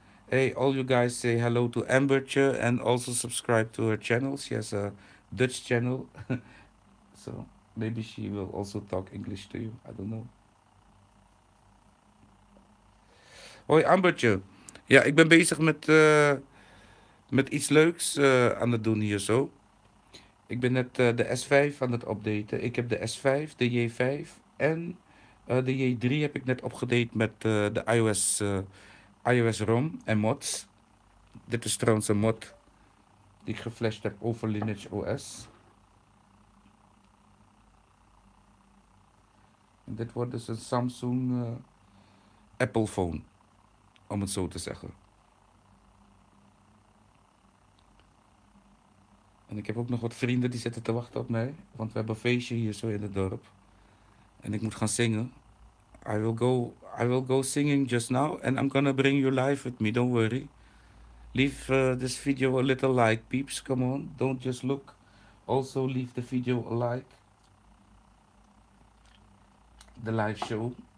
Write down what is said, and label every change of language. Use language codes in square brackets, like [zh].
[en] Hey, all you guys, say hello to Ambertje and also subscribe to her channel. She has a Dutch channel. So maybe she will also talk English to you. I don't know. [nl] Hoi Ambertje. Ja, ik ben bezig met iets leuks aan het doen hier zo. Ik ben net de S5 aan het updaten. Ik heb de S5, de J5 en de J3 heb ik net opgedate met de iOS ROM en mods. Dit is trouwens een mod die ik geflasht heb over Lineage OS. En dit wordt dus een Samsung Apple phone. Om het zo te zeggen. En ik heb ook nog wat vrienden die zitten te wachten op mij. Want we hebben een feestje hier zo in het dorp. En ik moet gaan zingen. [en] I will go singing just now. And I'm gonna bring you live with me. Don't worry. Leave this video a little like, peeps. Come on. Don't just look. Also leave the video a like. The live show.